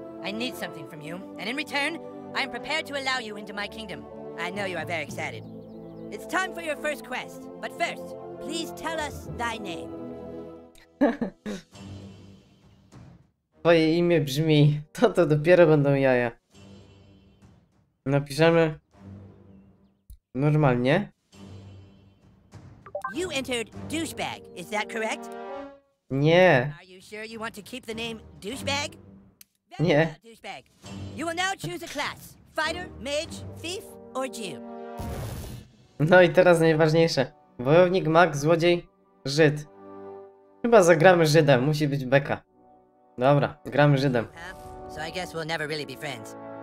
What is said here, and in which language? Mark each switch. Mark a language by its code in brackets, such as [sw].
[en] I need something from you, and in return, I am prepared to allow you into my kingdom. I know you are very excited. It's time for your first quest, but first, please tell us thy name. [pl] Twoje imię brzmi, to dopiero będą jaja. Napiszemy normalnie. [en] You entered douchebag, is that correct? [pl] Nie. [en] Are you sure you want to keep the name douchebag? [pl] Nie. [en] You will now choose a class. Fighter, mage, thief, or Jew. [pl] No i teraz najważniejsze. Wojownik, mag, złodziej, Żyd. Chyba zagramy Żydem, musi być beka. Dobra, gramy Żydem. [en] So I guess we'll never really be friends.